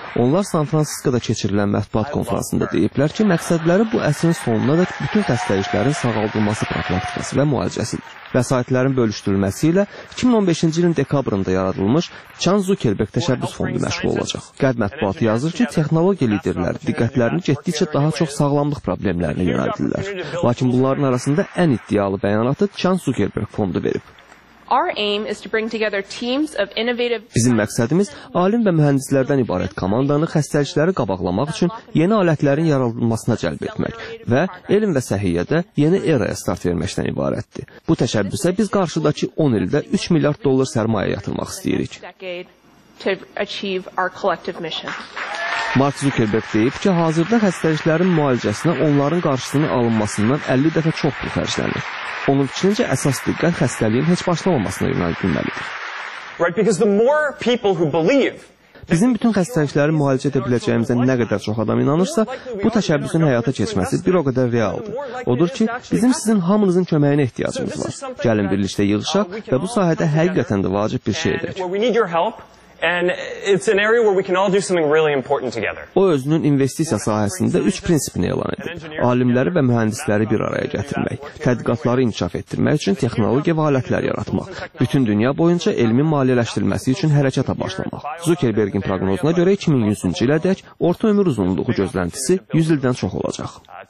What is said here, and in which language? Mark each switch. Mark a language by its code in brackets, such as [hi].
[az] Onlar San Francisco'da keçirilən mətbuat konferansında deyiblər ki, məqsədləri bu əsrin sonuna da bütün xəstəliklərin sağaldılması profilaktikası və müalicəsidir. Vəsaitlərin bölüşdürülməsi ilə 2015-ci ilin dekabrında yaradılmış Chan Zuckerberg təşəbbüs fondu məşğul olacaq. Qəd mətbuatı yazır ki, texnologiya liderləri diqqətlərini getdikcə daha çox sağlamlıq problemlərini yaradırlar. Lakin bunların arasında ən iddialı bəyanatı Chan Zuckerberg fondu verib. [en] Our aim is to bring together teams of innovative. [az] Bizim məqsədimiz alim və mühəndislərdən ibarət komandanı xəstəlikləri qabaqlamaq üçün yeni alətlərin yaradılmasına cəlb etmək və elm və səhiyyədə yeni eraya start verməkdən ibarətdir. Bu təşəbbüsə biz qarşıdakı 10 ildə 3 milyard dollar sərmayə yatırmaq istəyirik. [en] To achieve our collective mission. [az] Mark Zuckerberg deyib ki, hazırda xəstəliklərin müalicəsinə onların qarşısının alınmasından 50 dəfə çox pul xərclənir. Onun fikrincə, əsas diqqət xəstəliyin heç başlamamasına yönəldilməlidir. [en] Right, because the more people who believe. [az] Bizim bütün xəstəlikləri müalicə edə biləcəyimizə nə qədər çox adam inanırsa, bu təşəbbüsün həyata keçməsi bir o qədər realdır. Odur ki, bizim sizin hamınızın köməyinə ehtiyacımız var. Gəlin birlikdə yığışaq və bu sahədə həqiqətən də vacib bir şey edək. [en] And it's an area where we can all do something really important together. [az] O özünün investisiya sahəsində 3 prinsipini elan edib. Alimləri və mühəndisləri bir araya gətirmək, tədqiqatları inkişaf etdirmək üçün texnologiya və alətlər yaratmaq, bütün dünya boyunca elmin maliyyələşdirilməsi üçün hərəkətə başlamaq. Zuckerbergin proqnozuna görə 2100-cü ilədək orta ömür uzunluğu gözləntisi 100 ildən çox olacaq.